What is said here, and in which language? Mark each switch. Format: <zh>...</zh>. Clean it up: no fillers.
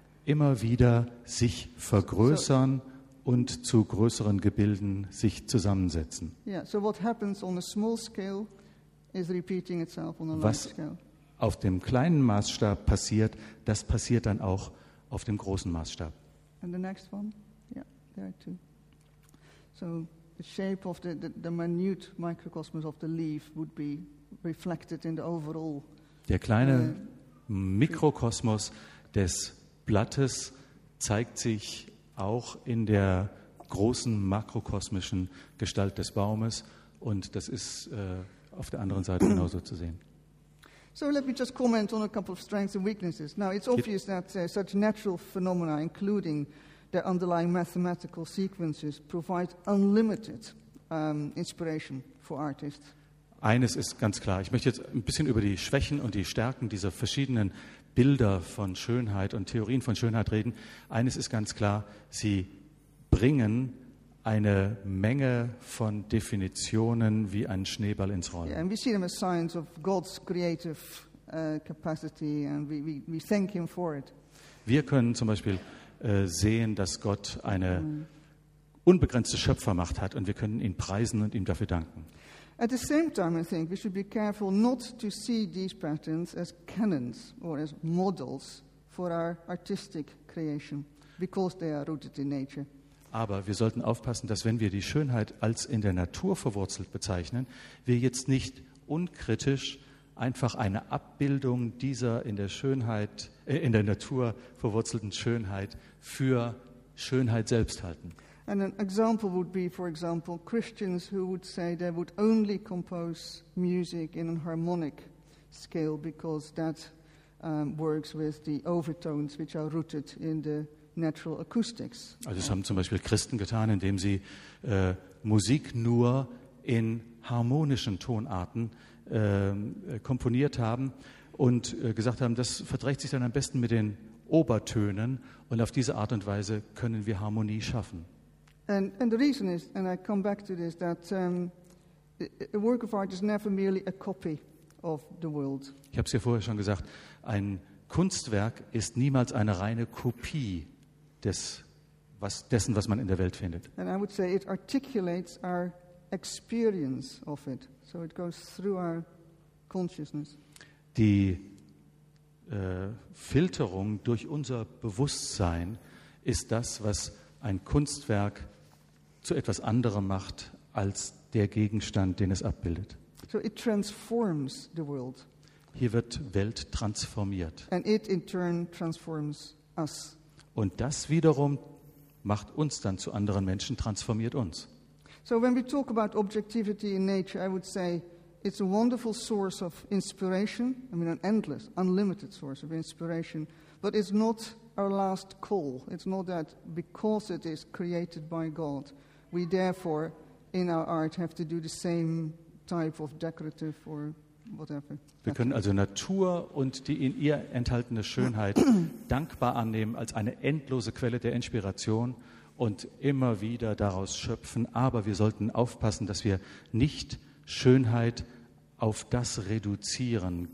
<de>immer wieder sich vergrößern und zu größeren Gebilden sich zusammensetzen.</de> <en>Yeah. So what happens on a small scale is repeating itself on a large scale.</en> <de>Auf dem kleinen Maßstab passiert, das passiert dann auch auf dem großen Maßstab.</de> <en>And the next one? Yeah, there are two. So the shape of the minute microcosmos of the leaf would be reflected in the overall.</en> <de>Der kleine Mikrokosmos des Blattes zeigt sich auch in der großen makrokosmischen Gestalt des Baumes und das ist auf der anderen Seite genauso zu sehen.</de> <en>So let me just comment on a couple of strengths and weaknesses. Now, it's obvious that such natural phenomena, including their underlying mathematical sequences, provide unlimited inspiration for artists.</en> <de>Eines ist ganz klar. Ich möchte jetzt ein bisschen über die Schwächen und die Stärken dieser verschiedenen Bilder von Schönheit und Theorien von Schönheit reden. Eines ist ganz klar, sie bringen eine Menge von Definitionen wie ein Schneeball ins Rollen.</de> <en>Yeah, and we see them as signs of God's creative capacity, and we thank him for it.</en> <de>Wir können zum Beispiel sehen, dass Gott eine unbegrenzte Schöpfermacht hat, und wir können ihn preisen und ihm dafür danken.</de> <en>At the same time, I think we should be careful not to see these patterns as canons or as models for our artistic creation, because they are rooted in nature.</en> <de>Aber wir sollten aufpassen, dass wenn wir die Schönheit als in der Natur verwurzelt bezeichnen, wir jetzt nicht unkritisch einfach eine Abbildung dieser in der Schönheit, in der Natur verwurzelten Schönheit für Schönheit selbst halten.</de> <en>And an example would be, for example, Christians who would say they would only compose music in a harmonic scale because that works with the overtones which are rooted in the natural acoustics.</en> <de>Also es haben zum Beispiel Christen getan, indem sie Musik nur in harmonischen Tonarten komponiert haben und gesagt haben, das verträgt sich dann am besten mit den Obertönen und auf diese Art und Weise können wir Harmonie schaffen.</de> <en>And the reason is, and I come back to this, that a work of art is never merely a copy of the world.</en> <de>Ich habe es ja vorher schon gesagt, ein Kunstwerk ist niemals eine reine Kopie dessen, was man in der Welt findet.</de> <en>And I would say it articulates our experience of it. So it goes through our consciousness.</en> <de>Die Filterung durch unser Bewusstsein ist das, was ein Kunstwerk zu etwas anderem macht als der Gegenstand, den es abbildet.</de> <en>So it transforms the world.</en> <de>Hier wird Welt transformiert.</de> <en>And it in turn transforms us.</en> <de>Und das wiederum macht uns dann zu anderen Menschen, transformiert uns.</de> <en>So when we talk about objectivity in nature, I would say it's a wonderful source of inspiration. I mean an endless, unlimited source of inspiration. But it's not our last call. It's not that because it is created by God, we therefore in our art have to do the same type of decorative or whatever.</en> <de>Wir können also Natur und die in ihr enthaltene Schönheit dankbar annehmen als eine endlose Quelle der Inspiration und immer wieder daraus schöpfen. Aber wir sollten aufpassen, dass wir nicht Schönheit auf das reduzieren.</de>